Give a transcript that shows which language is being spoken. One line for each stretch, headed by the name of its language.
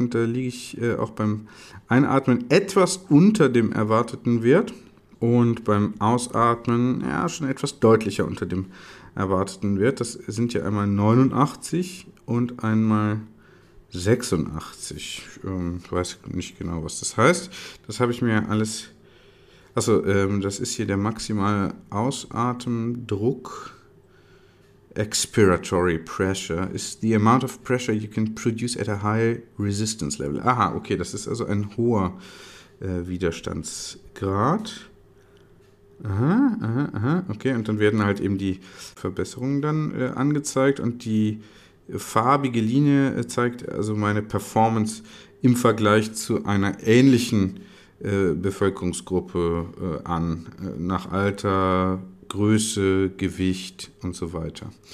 German: Und da liege ich auch beim Einatmen etwas unter dem erwarteten Wert und beim Ausatmen ja schon etwas deutlicher unter dem erwarteten Wert. Das sind ja einmal 89 und einmal 86. Ich weiß nicht genau, was das heißt. Das habe ich mir alles... Achso, das ist hier der maximale Ausatemdruck.
English: Expiratory pressure is the amount of pressure you can produce at a high resistance level.
German: Aha, okay, das ist also ein hoher Widerstandsgrad. Aha, okay, und dann werden halt eben die Verbesserungen dann angezeigt und die farbige Linie zeigt also meine Performance im Vergleich zu einer ähnlichen Bevölkerungsgruppe an, nach Alter, Größe, Gewicht und so weiter.